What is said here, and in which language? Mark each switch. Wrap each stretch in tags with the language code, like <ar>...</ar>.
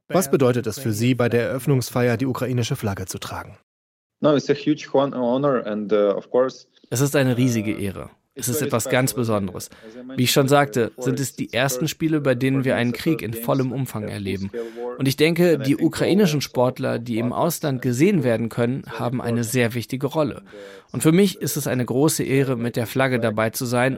<de>Was bedeutet es für Sie, bei der Eröffnungsfeier die ukrainische Flagge zu tragen?</de> <en>No, it's a huge honor and of course.</en> <de>Es ist eine riesige Ehre. Es ist etwas ganz Besonderes. Wie ich schon sagte, sind es die ersten Spiele, bei denen wir einen Krieg in vollem Umfang erleben. Und ich denke, die ukrainischen Sportler, die im Ausland gesehen werden können, haben eine sehr wichtige Rolle. Und für mich ist es eine große Ehre, mit der Flagge dabei zu sein.</de>